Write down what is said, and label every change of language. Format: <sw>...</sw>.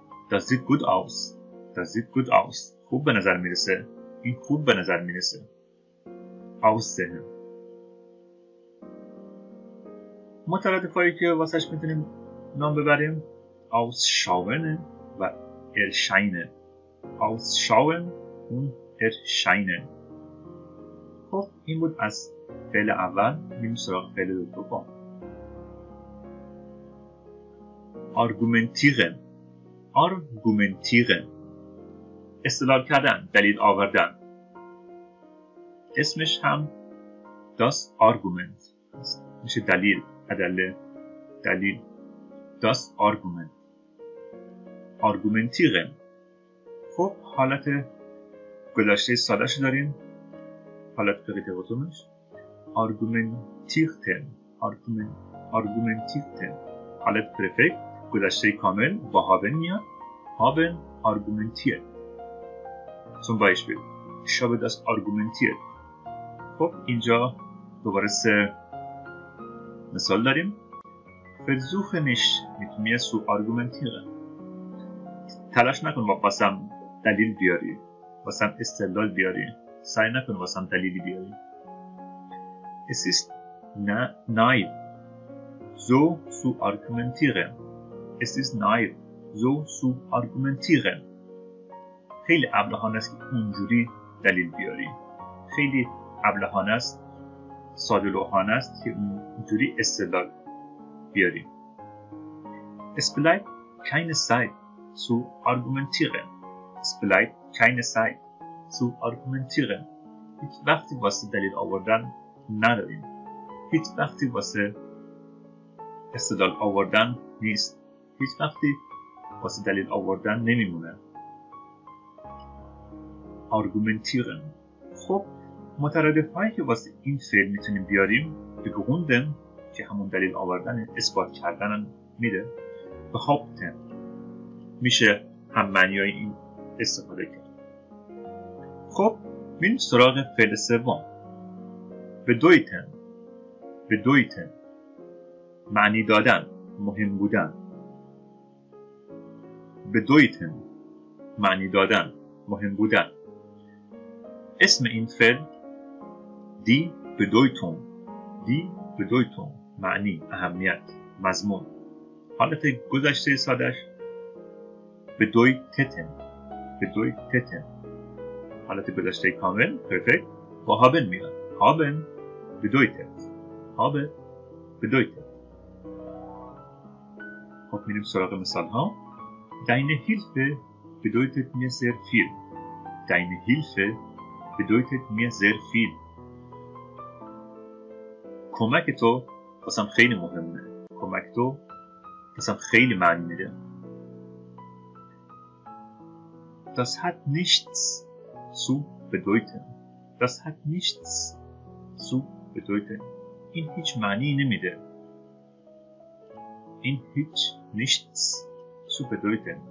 <de>Das sieht gut aus. Das sieht gut aus.</de> <fa>خوب به نظر میرسه. این خوب به نظر میرسه. Aussehen. مترادفایی که واسهش میتونیم نام ببریم Ausschauen و Erscheinen.</fa> <de>Ausschauen و Erscheinen.</de> <fa>خب این بود از فعل اول. میم سراغ فعل دوم، آرگومنتیغن. آرگومنتیغن استدلال کردن، دلیل آوردن. اسمش هم داس آرگومنت میشه، دلیل، ادله، دلیل. داس آرگومنت، آرگومنتیغن. خب حالت گذشته ساده شو داریم، حالت فقیقه قطومش argumentierten، argumentierten. حالت پرفکت گذشته کامل با هابن میاد، هابن argumentiert.</fa> <de>zum Beispiel ich habe das argumentiert.</de> <fa>خب اینجا دوباره سه مثال داریم.</fa> <de>versuche nicht mit mir zu argumentieren،</de> <fa>تلاش نکن واسم دلیل بیاری، واسم استدلال بیاری، سعی نکن واسم دلیلی بیاری.</fa> <de>Es ist naiv so zu argumentieren. Es ist naiv so zu argumentieren.</de> <fa>خیلی ابلهانه است که اونجوری دلیل بیاری. خیلی ابلهانه است، ساده لوحانه است که اونجوری استدلال بیاری.</fa> <de>Es bleibt keine Zeit zu argumentieren. Es bleibt keine Zeit zu argumentieren.</de> <fa>هیچ وقتی واسه دلیل آوردن نداریم، هیچ وقتی واسه استدلال آوردن نیست، هیچ وقتی واسه دلیل آوردن نمیمونه.</fa> <de>argumentieren.</de> <fa>خب مترادف هایی که واسه این فعل میتونیم بیاریم، begründen که همون دلیل آوردن، اثبات کردن میده، behaupten میشه هم معنی های این استفاده کرد. خب میریم سراغ فعل سوم، bedeuten. bedeuten معنی دادن، مهم بودن. bedeuten معنی دادن، مهم بودن. اسم این فعل die bedeutung، die bedeutung معنی، اهمیت، مضمون. حالت گذشته سادش bedeuteten، bedeuteten. حالت گذشته کامل perfect با haben میاد، haben bedeutet، habe bedeutet. خب میریم سراغ مثال ها.</fa> <de>deine Hilfe bedeutet mir sehr viel. deine Hilfe bedeutet mir sehr viel.</de> <fa>کمک تو واسم خیلی مهمه، کمک تو مثلا خیلی معنی میده.</fa> <de>Das hat nichts zu bedeuten. Das hat nichts zu bedeuten.</de> <fa>این هیچ معنی نمیده. این هیچ</fa> <de>nichts zu bedeuten.</de>